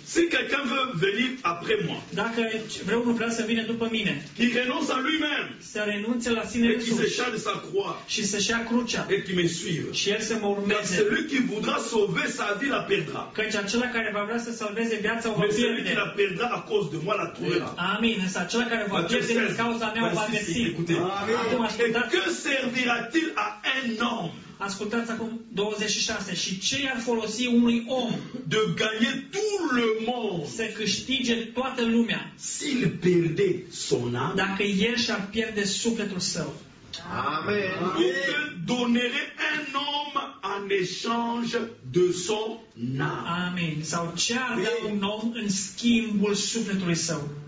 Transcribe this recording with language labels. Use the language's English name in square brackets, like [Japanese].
[French] Si quelqu'un veut venir après moi. [Romanian] Dacă vreunul vrea să vină după mine. [French] Il renonce à lui-même. [Romanian] Să renunțe la sine însuși. [French] Et qui se charge sa croix. [Romanian] Și să-și ia crucea. [French] Et qui me suive. [Romanian] Și el să mă urmeze. [French] Car celui qui voudra sauver sa vie la perdra. [Romanian] Căci acela care va vrea să salveze viața o va pierde. [French] Mais celui qui la perdra à cause de moi la trouvera. Amin. [Romanian] Însă acela care va pierde din cauza mea va găsi. [French] Que servira-t-il à un homme? [Romanian] Ascultați acum 26. Și ce i-ar folosi unui om? [French] De gagner tout le monde. [Romanian] Să câștige toată lumea. [French] S'il perdait son âme. [Romanian] Dacă el și-ar pierde sufletul său. Amen. [French] Où donnerait un homme en échange de son âme? Amen. [Romanian] Sau ce ar da un om în schimbul sufletului său?